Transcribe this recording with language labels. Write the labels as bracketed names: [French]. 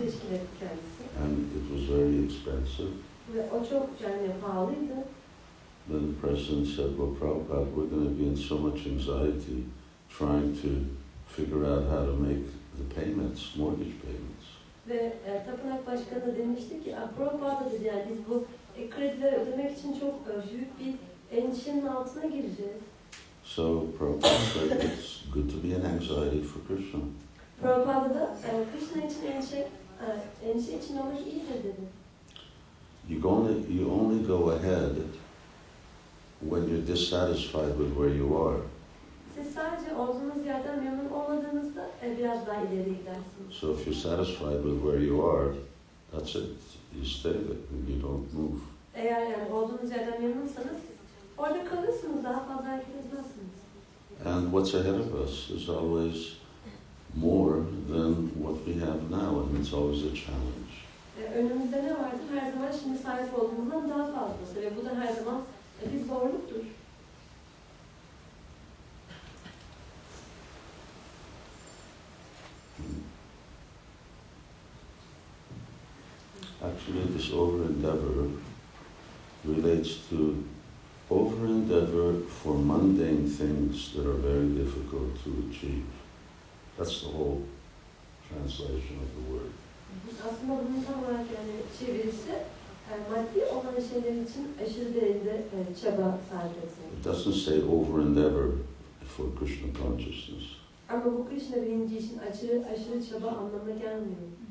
[English] And it was very expensive. Then the president said, well, Prabhupada, we're going to be in so much anxiety trying to figure out how to make the payments, mortgage payments. [Turkish] Ve tapınak başkanı demişti ki, Prabhupada dedi, yani biz bu kredileri ödemek için çok büyük bir endişenin altına gireceğiz. [English] So Prabhupada said it's good to be in anxiety for Krishna. [Turkish] Prabhupada da Krishna için endişe için olmak iyidir dedi. [English] You only go ahead when you're dissatisfied with where you are. [Turkish] Siz sadece olduğunuz yerden memnun olmadığınızda biraz daha ileri gidersiniz. [English] So if you're satisfied with where you are, that's it. You stay there. You don't move. [Turkish] Eğer yani olduğunuz yerden memnunsanız orada kalırsınız, daha fazla gitmezsiniz. [English] And what's ahead of us is always more than what we have now, and it's always a challenge. [Turkish] Önümüzde ne vardı? Her zaman şimdi sahip olduğumuzdan daha fazlası ve bu da her zaman bir zorluktur. [English] Actually, this over-endeavor relates to over-endeavor for mundane things that are very difficult to achieve. That's the whole translation of the word. [Turkish] Aslında bunun tam olarak yani çevirisi, maddi olan şeyler için aşırı derecede çaba sarf etmek. [English] It doesn't say over-endeavor for Krishna consciousness. [Turkish] Ama bu Krishna bilinci için aşırı çaba anlamına gelmiyor.